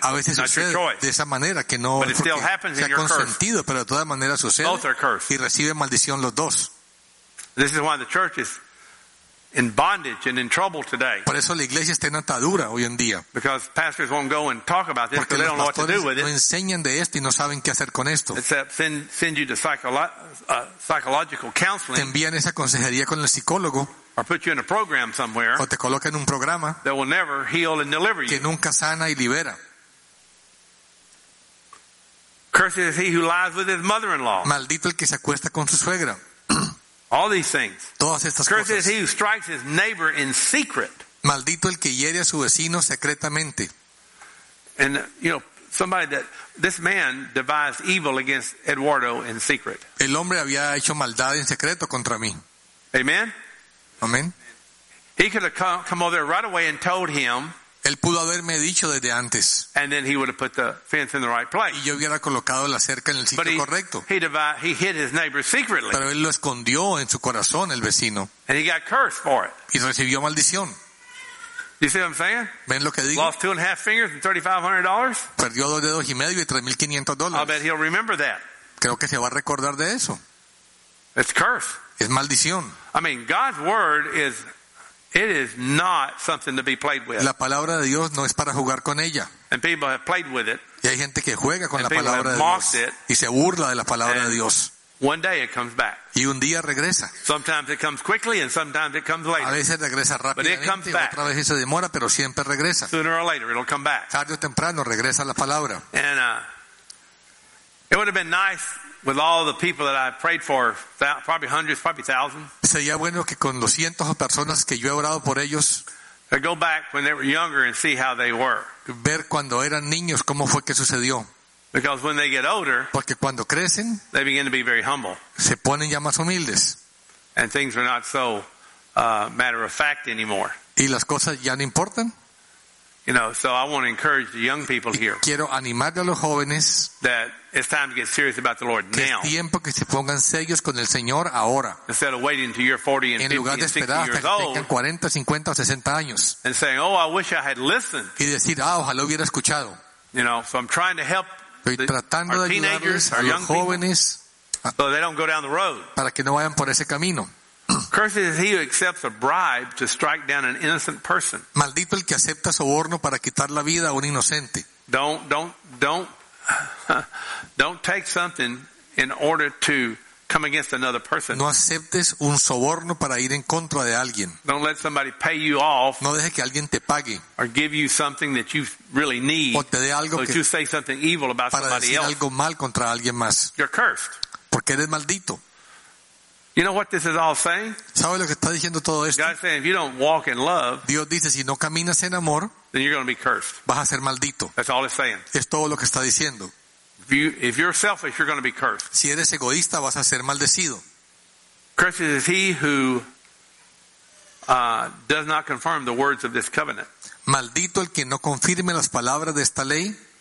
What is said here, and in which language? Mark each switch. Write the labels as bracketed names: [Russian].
[Spanish] A veces sucede de esa manera que no sea consentido, pero de todas maneras sucede. [English] Both are cursed. [Spanish] Y reciben maldición los dos. [English] This is why the church is in bondage and in trouble today. [Spanish] Por eso la iglesia está en atadura hoy en día. [English] Because pastors won't go and talk about this because they don't know what to do with it. [Spanish] No enseñan de esto y no saben qué hacer con esto. [English] Except send you to psychological counseling. [Spanish] Te envían esa consejería con el psicólogo. [English] Or put you in a program somewhere. [Spanish] O te coloca en un programa. [English] That will never heal and deliver you. [Spanish] Que nunca sana y libera. [English] Cursed is he who lies with his mother-in-law. [Spanish] Maldito el que se acuesta con su suegra. [English] All these things. [Spanish] Todas estas [English] cursed [Spanish] cosas. [English] Is he who strikes his neighbor in secret. [Spanish] Maldito el que hiere a su vecino secretamente. [English] And you know, somebody that this man devised evil against Eduardo in secret. [Spanish] El hombre había hecho maldad en secreto contra mí. [English] Amen. [Spanish] Amen. [English] He could have come over there right away and told him. [Spanish] Él pudo haberme dicho desde antes. [English] And then he would have put the fence in the right place. [Spanish] Y yo hubiera colocado la cerca en el sitio correcto. [English] He hid his neighbor secretly. [Spanish] Pero él lo escondió en su corazón, el vecino. [English] And he got cursed for it. [Spanish] Y recibió maldición. [English] You see what I'm saying? [Spanish] ¿Ven lo que digo? [English] Lost 2.5 fingers and $3,500. [Spanish] Perdió dos dedos y medio y $3,500. [English] I'll bet he'll remember that. [Spanish] Creo que se va a recordar de eso. [English] It's curse. [Spanish] Es maldición. [English] I mean, God's word is. It is not something to be played with. [Spanish] La palabra de Dios no es para jugar con ella. [English] And people have played with it. [Spanish] Y hay gente que juega con la palabra de Dios. [English] It, [Spanish] y se burla de la palabra de Dios. [English] One day it comes back. [Spanish] Y un día regresa. [English] Sometimes it comes quickly and sometimes it comes later. [Spanish] A veces regresa rápidamente, [English] but it comes back. [Spanish] Otra vez se demora, pero siempre regresa. [English] Sooner or later it'll come back. [Spanish] Tarde o temprano regresa la palabra. [English] And it would have been nice with all the people that I've prayed for, probably hundreds, probably thousands. [Spanish] Sería bueno que con los cientos de personas que yo he orado por ellos. [English] I go back when they were younger and see how they were. [Spanish] Ver cuando eran niños cómo fue que sucedió. [English] Because when they get older, [Spanish] porque cuando crecen, [English] they begin to be very humble. [Spanish] Se ponen ya más humildes. [English] And things are not so matter of fact anymore. [Spanish] Y las cosas ya no importan. [English] You know, so I want to encourage the young people here. [Spanish] Quiero animar a los jóvenes. [English] That it's time to get serious about the Lord now. [Spanish] Es tiempo que se pongan serios con el Señor ahora. [English] Instead of waiting until you're 40 and 50 and 60 years old. [Spanish] En lugar de esperar hasta que tengan 40, 50 o 60 años. [English] And saying, "Oh, I wish I had listened." [Spanish] Y decir, "Ah, ojalá hubiera escuchado." [English] You know, so I'm trying to help our teenagers, our young people, so they don't go down the road. [Spanish] Para que no vayan por ese camino. [English] Cursed is he who accepts a bribe to strike down an innocent person. [Spanish] Maldito el que acepta soborno para quitar la vida a un inocente. [English] Don't take something in order to come against another person. [Spanish] No aceptes un soborno para ir en contra de alguien. [English] Don't let somebody pay you off. [Spanish] No deje que alguien te pague. [English] Or give you something that you really need. [Spanish] O te dé algo [English] so [Spanish] que, [English] that you say something evil about [Spanish] para [English] somebody [Spanish] decir [English] else. [Spanish] Algo mal contra alguien más. [English] You're cursed. [Spanish] Porque eres maldito. [English] You know what this is all saying? [Spanish] ¿Sabe lo que está diciendo todo esto? [English] God's saying if you don't walk in love, [Spanish] Dios dice, si no caminas en amor, [English] then you're going to be cursed. [Spanish] Vas a ser maldito. [English] That's all it's saying. [Spanish] Es todo lo que está diciendo. [English] If you're selfish, you're going to be cursed. [Spanish] Si eres egoísta, vas a ser maldecido. [English] Cursed is he who does not confirm the words of this covenant. [Spanish] Maldito el que no confirme las palabras de esta ley.